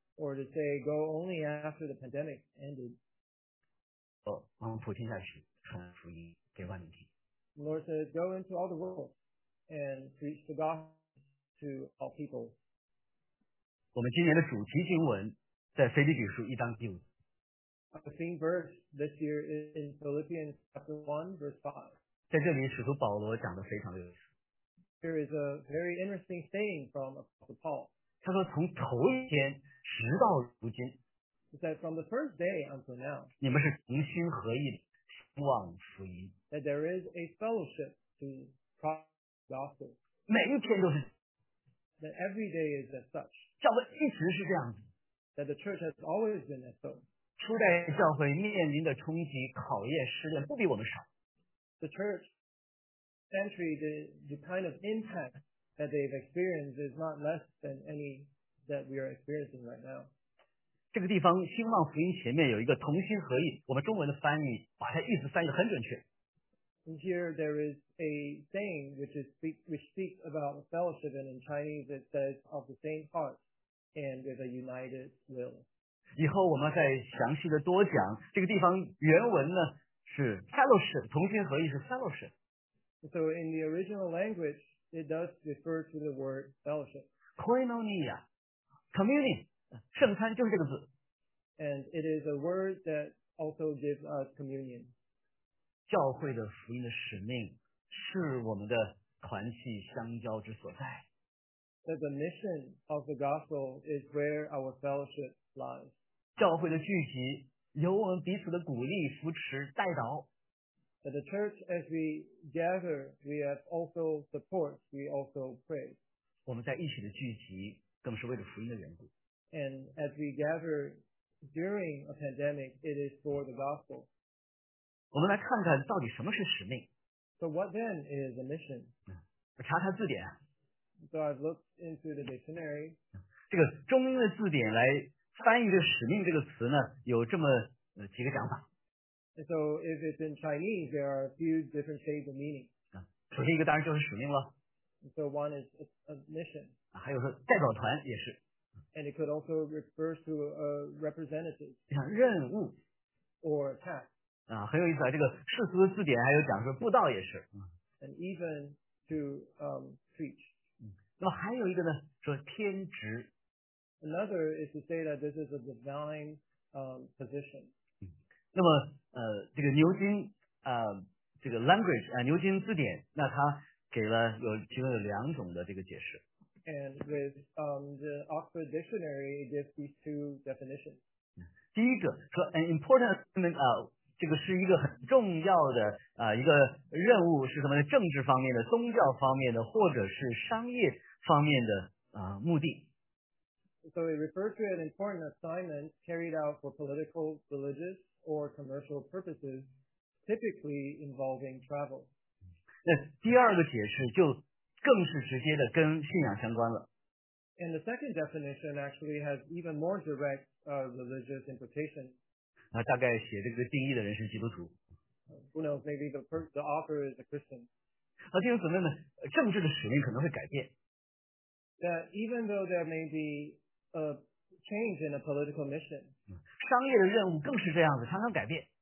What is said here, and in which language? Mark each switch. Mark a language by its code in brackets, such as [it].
[en] or to say go only after the pandemic ended [zh] 往普天下去传福音 [en] The Lord says, go into all the world and preach the gospel to all people. [zh] 我们今年的主题经文在腓立比书一章第五。 [en] Our theme verse this year is in Philippians chapter 1, verse 5. [zh] 在这里使徒保罗讲得非常有意思。 [en] Here is a very interesting saying from Apostle Paul. [zh] 他说从头一天直到如今。 [en] He said, from the first day until now. [zh] 你们是同心合意的。望福音 [en] that there is a fellowship to proclaim the gospel. [zh] 每一天都是 [en] that every day is as such. [zh] 教会一直是这样子 [en] that the church has always been as so. [zh] 初代教会面临的冲击、考验、试炼不比我们少 [en] The church century, the kind of impact that they've experienced is not less than any that we are experiencing right now. [zh] 这个地方兴旺福音前面有一个同心合意我们中文的翻译把它意思翻译得很准确 [en] Here there is a saying which speaks about fellowship and in Chinese it says of the same heart and with a united will [zh] 以后我们再详细的多讲这个地方原文呢是 fellowship 同心合意是 fellowship [en] So in the original language it does refer to the word fellowship [zh] Koinonia Communion圣餐就是这个字 [en] and it is a word that also gives us communion [zh] 教会的福音的使命是我们的团契相交之所在 [en] that the mission of the gospel is where our fellowship lies [zh] 教会的聚集由我们彼此的鼓励扶持带导 [en] that the church as we gather we have also support we also pray [zh] 我们在一起的聚集更是为了福音的缘故 [en] And as we gather during a pandemic, it is for the gospel. [zh] 我们来看看到底什么是使命。 [en] So what then is a mission? [zh] 我查查字典。 [en] So I've looked into the dictionary. [zh] 这个中英的字典来翻译的使命这个词呢，有这么几个讲法。 [en] And so if it's in Chinese, there are a few different shades of meaning. [zh] 首先一个当然就是使命了。 [en] So one is a mission. [zh] 还有说代表团也是。 [en] And it could also refer to a representative. [zh] 像任务。 [en] Or a task. [zh] 很有意思啊，这个世俗字典还有讲说布道也是。 [en] And even to preach. [zh] 那么还有一个呢，说天职。 [en] Another is to say that this is a divine position. [zh] 那么这个牛津这个 language 牛津字典，那它给了有其中有两种的这个解释。 [en] And with the Oxford Dictionary, it gives these two definitions. [zh] 第一个说 [en] an important assignment of [zh] 这个是一个很重要的一个任务，是什么呢？政治方面的、宗教方面的，或者是商业方面的目的。 [en] So it refers to an important assignment carried out for political, religious, or commercial purposes, typically involving travel. [zh] 那第二个解释就更是直接的跟信仰相关了。 [en] And the second definition actually has even more direct religious implications. [zh] 大概写这个定义的人是基督徒。 [en] Who knows, maybe the author is a Christian. [zh] 弟兄姊妹们，政治的使命可能会改变。 [en] That even though there may be a change in a political mission. [zh] 商业的任务更是这样子，常常改变。